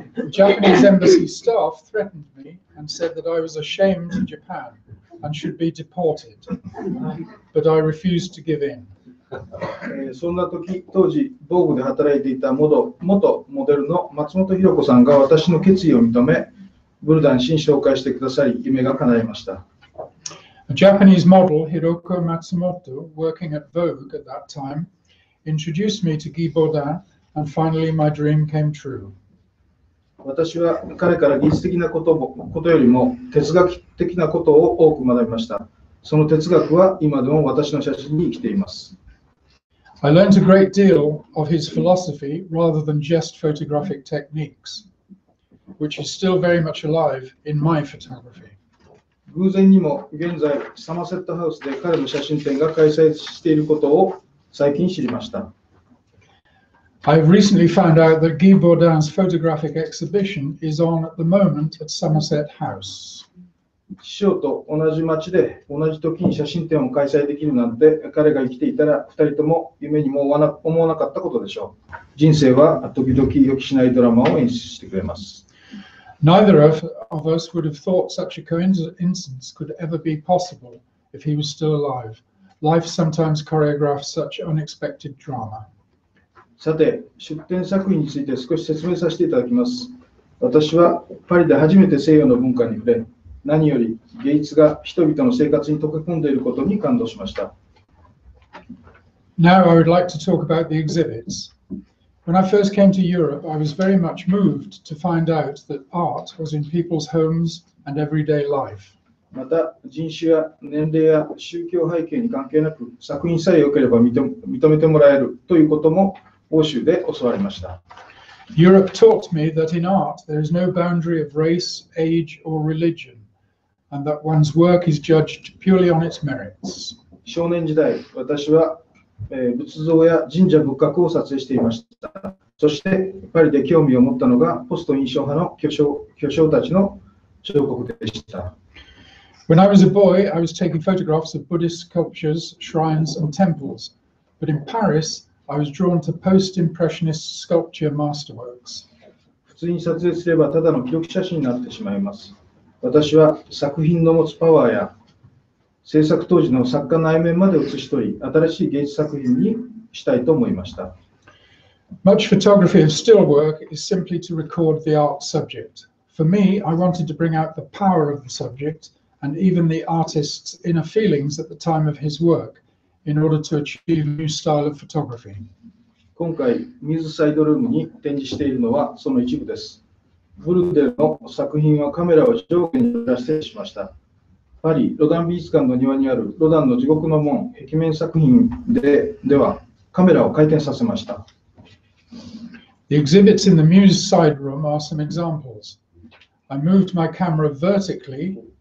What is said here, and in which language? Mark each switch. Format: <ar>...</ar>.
<en>Japanese embassy staff threatened me and said that I was ashamed to Japan and should be deported. But I refused to give in.</en> <ja>そんな時、当時、ボーグで働いていた元モデルの松本ひろ子さんが私の決意を認め、ブルダン氏に紹介してくださり、夢が叶いました。</ja> <en>A Japanese model, Hiroko Matsumoto, working at Vogue at that time,introduced me to Guy Bourdin, and finally my dream came true.</en> <ja>私は彼から技術的なことよりも哲学的なことを多く学びました。その哲学は今でも私の写真に生きています。</ja> <en>I learned a great deal of his philosophy rather than just photographic techniques, which is still very much alive in my photography.</en> <ja>偶然にも現在サマセットハウスで彼の写真展が開催していることを最近知りました。</ja> <en>I've recently found out that Guy Bourdin's photographic exhibition is on at the moment at Somerset House.</en> <ja>師匠と同じ町で同じ時に写真展を開催できるなんて、彼が生きていたら二人とも夢にも思わなかったことでしょう。人生は時々予期しないドラマを演出してくれます。</ja> <en>Neither of us would have thought such a coincidence could ever be possible if he was still alive. Life sometimes choreographs such unexpected drama.</en> <ja>さて、出展作品について少し説明させていただきます。私はパリで初めて西洋の文化に触れ、何より芸術が人々の生活に溶け込んでいることに感動しました。</ja> <en>Now I would like to talk about the exhibits. When I first came to Europe, I was very much moved to find out that art was in people's homes and everyday life.</en> <ja>また人種や年齢や宗教背景に関係なく作品さえ良ければ認めてもらえるということも欧州で教わりました。</ja> <en>Europe taught me that in art there is no boundary of race, age or religion, and that one's work is judged purely on its merits.</en> <ja>少年時代、私は仏像や神社仏閣を撮影していました。そしてパリで興味を持ったのがポスト印象派の巨匠たちの彫刻でした。</ja> <en>When I was a boy, I was taking photographs of Buddhist sculptures, shrines, and temples. But in Paris, I was drawn to post-impressionist sculpture masterworks.</en> <ja>普通に撮影すればただの記録写真になってしまいます。私は作品の持つパワーや制作当時の作家内面まで写し取り、新しい芸術作品にしたいと思いました。</ja> <en>Much photography of still work is simply to record the art subject. For me, I wanted to bring out the power of the subject. And even the artist's inner feelings at the time of his work, in order to achieve a new style of photography.</en> <ja>今回、ミズサイドルームに展示しているのはその一部です。ブルデルの作品はカメラを上下に出してしました。パリ、ロダン美術館の庭にあるロダンの地獄の門、壁面作品ではカメラを回転させました。</ja> <en>The exhibits in the Muse side room are some examples. I moved my camera vertically.</en>